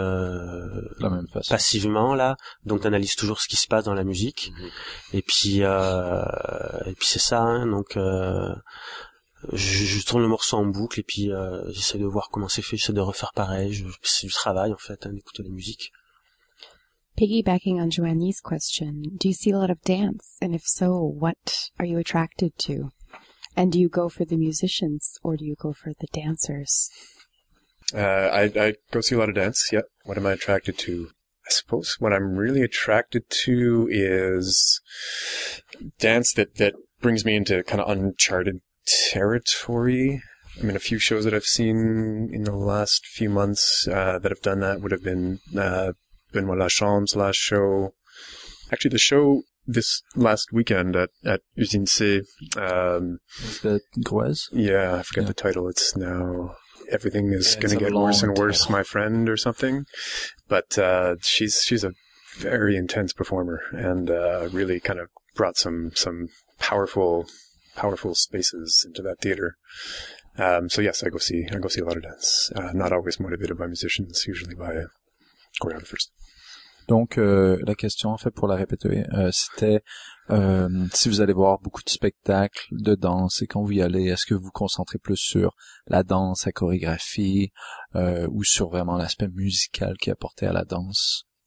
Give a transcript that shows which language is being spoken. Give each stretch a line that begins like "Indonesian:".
French: la même façon. Passivement là, donc t'analyses toujours ce qui se passe dans la musique. Mmh. Et puis c'est ça, hein, donc je tourne le morceau en boucle et puis j'essaie de voir comment c'est fait, j'essaie de refaire pareil. C'est du travail en fait, hein, d'écouter la musique.
English: Piggybacking on Joanie's question, do you see a lot of dance, and if so, what are you attracted to, and do you go for the musicians or do you go for the dancers? I go see a lot of dance, yeah. What am I attracted to? I suppose what I'm really attracted to is dance that brings me into kind of uncharted territory. I mean, a few shows that I've seen in the last few months that have done that would have been Benoît Lachambe's last show. Actually, the show this last weekend at Usine C. Is that Grouez? Yeah, I forget the title. It's now... Everything is going to get worse and worse, my friend, or something. But she's a very intense performer and really kind of brought some powerful spaces into that theater. So yes, I go see a lot of dance. Not always motivated by musicians, usually by choreographers.
French: Donc la question en fait pour la répéter, c'était si vous allez voir beaucoup de spectacles de danse et quand vous y allez, est-ce que vous vous concentrez plus sur la danse, la chorégraphie ou sur vraiment l'aspect musical qui est apporté à la danse?